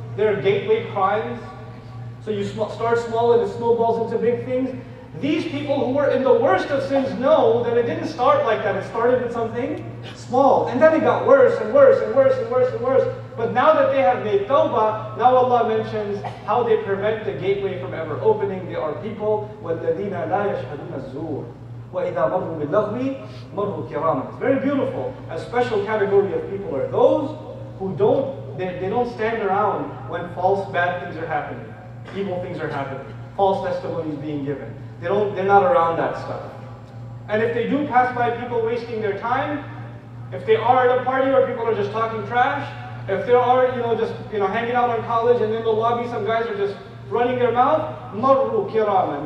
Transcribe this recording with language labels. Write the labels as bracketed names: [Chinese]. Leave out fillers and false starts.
[English] There are gateway crimes. So you start small, and it snowballs into big things. These people who were in the worst of sins know that it didn't start like that. It started with something small. And then it got worse and worse and worse and worse and worse. But now that they have made tawbah, now Allah mentions how they prevent the gateway from ever opening. They are people, [Arabic] وَالَّذِينَ لَا يَشْهَدُونَ الزُّورِ وَإِذَا مَرُّوا بِاللَّغْوِ مَرُّوا كِرَامًا. [English] It's very beautiful. A special category of people are those who don't, they don't stand around when false bad things are happening. Evil things are happening. False testimonies being given. They're not around that stuff. And if they do pass by people wasting their time, if they are at a party where people are just talking trash, if they are, you know, just, you know, hanging out in college and in the lobby some guys are just running their mouth, [Arabic] مَرُّوا كِرَامًا.